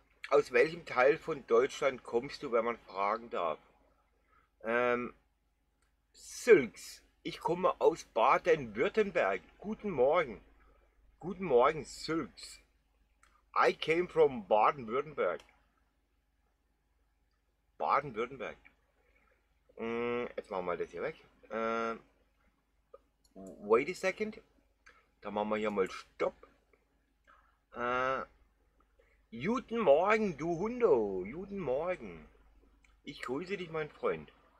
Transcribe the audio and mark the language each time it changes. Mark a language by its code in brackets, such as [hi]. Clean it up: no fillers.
[de] Aus welchem Teil von Deutschland kommst du, wenn man fragen darf? Sylx, ich komme aus Baden-Württemberg. Guten Morgen. Guten Morgen, Sylx. [en] I came from Baden-Württemberg. [de] Baden-Württemberg. Jetzt machen wir mal das hier weg. [en] Wait a second. [de] Da machen wir hier mal Stopp. Guten Morgen, du Hundo. Guten Morgen. Ich grüße dich, mein Freund.